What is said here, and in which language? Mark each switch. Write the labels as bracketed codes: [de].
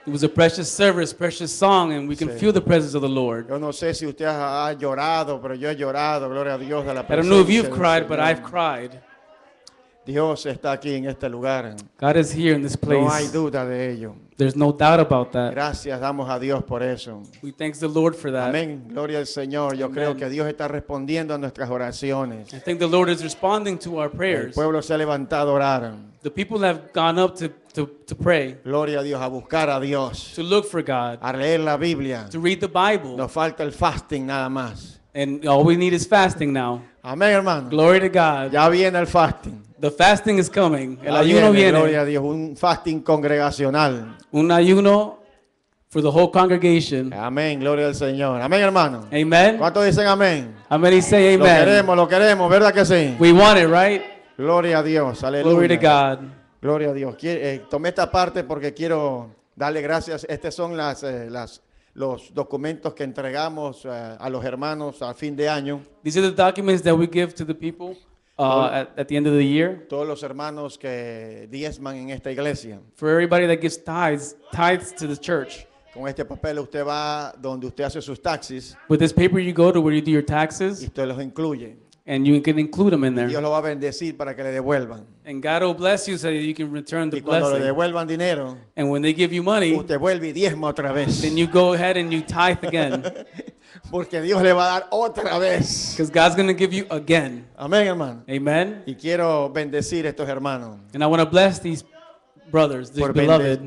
[en] It was a precious service, precious song, and we can feel the presence of the Lord. [es] Yo no sé si usted ha llorado, pero yo he llorado. Gloria a Dios de la presencia. [en] I don't know if you've cried, but I've cried. [es] Dios está aquí en este lugar. [en] God is here in this place. [es] No hay duda de ello. [en] There's no doubt about that. [es] Gracias damos a Dios por eso. [en] We thank the Lord for that. [es] Amén. Gloria al Señor. Yo creo que Dios está respondiendo a nuestras oraciones. [en] I think the Lord is responding to our prayers. [es] El pueblo se ha levantado a orar. [en] The people have gone up to pray. [es] Gloria a Dios, a buscar a Dios. [en] To look for God. [es] A leer la Biblia. [en] To read the Bible. [es] Nos falta el fasting nada más. [en] And all we need is fasting now. [es] Amén, hermano. [en] Glory to God. [es] Ya viene el fasting. [en] The fasting is coming. [es] El ayuno viene. Gloria a Dios. Un fasting congregacional. Un ayuno [en] for the whole congregation. [es] Amén. Gloria al Señor. Amén, hermano. [en] Amen. [es] ¿Cuántos dicen amén? [en] How many say amen? [es] Lo queremos, ¿verdad que sí? [en] We want it, right? [es] Gloria a Dios. Aleluya. [en] Glory to God. [es] Gloria a Dios. Tomé esta parte porque quiero darle gracias. Estos son los documentos que entregamos a los hermanos al fin de año. [en] These are the documents that we give to the people. At the end of the year. [es] Todos los hermanos que diezman en esta iglesia. [en] For everybody that gives tithes to the church. [es] Con este papel usted va donde usted hace sus taxes. [en] With this paper you go to where you do your taxes. [es] Y usted los incluye. [en] And you can include them in there. [es] Y Dios lo va a bendecir para que le devuelvan. [en] And God will bless you so that you can return the blessing. [es] Y cuando le devuelvan dinero. [en] And when they give you money. [es] Usted vuelve y diezma otra vez. [en] Then you go ahead and you tithe again. [es] Porque Dios le va a dar otra vez. [en] Because God's going to give you again. [es] Amén, hermano. [en] Amen. [es] Y quiero bendecir estos hermanos. [en] And I want to bless these brothers, these beloved.